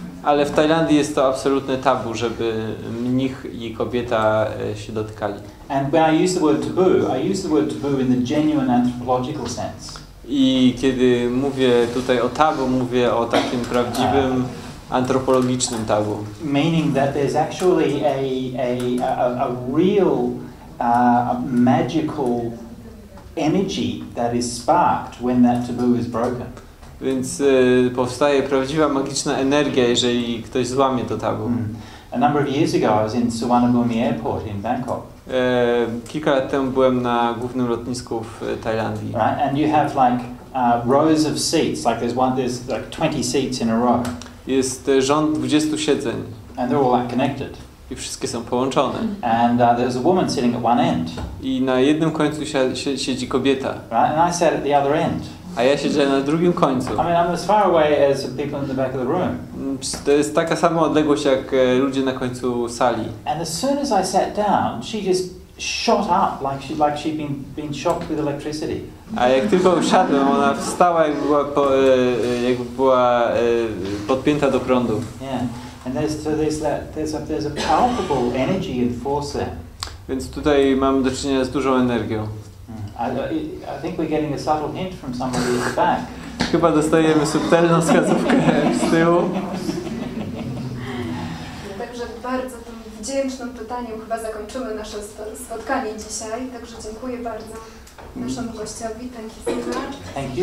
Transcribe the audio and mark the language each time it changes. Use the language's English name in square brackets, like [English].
[Polish] Ale w Tajlandii jest to absolutne tabu, żeby mnich i kobieta się dotykali. [English] And when I use the word taboo, I use the word taboo in the genuine anthropological sense. [Polish] I kiedy mówię tutaj o tabu, mówię o takim prawdziwym antropologicznym tabu. [English] Meaning that there's actually a real a magical energy that is sparked when that taboo is broken. [Polish] Więc powstaje prawdziwa magiczna energia, jeżeli ktoś złamie to tabu. [English] A number of years ago I was in Suvarnabhumi Airport in Bangkok. [Polish] Kilka lat temu byłem na głównym lotnisku w Tajlandii. [English] Right, and you have like rows of seats, like there's like 20 seats in a row. [Polish] Jest rząd 20 siedzeń. [English] And they're all like connected. [Polish] I wszystkie są połączone. [English] And there's a woman sitting at one end. [Polish] I na jednym końcu siedzi kobieta. [English] Right, and I sat at the other end. [Polish] A ja siedziałem na drugim końcu. [English] I mean, I'm as far away as the people in the back of the room. [Polish] To jest taka sama odległość jak ludzie na końcu sali. [English] And as soon as I sat down, she just shot up like she'd been shocked with electricity. [Polish] A jak tylko usiadłem, ona wstała jak była podpięta do prądu. [English] Yeah, and there's a palpable energy and force there. [Polish] Więc tutaj mamy do czynienia z dużą energią. [English] I think we're getting a subtle hint from somebody at the back. [Polish] Chyba dostajemy subtelną wskazówkę z tyłu. Także bardzo tym wdzięcznym pytaniem chyba zakończymy nasze spotkanie dzisiaj. Także dziękuję bardzo naszemu gościowi. [English] Thank you.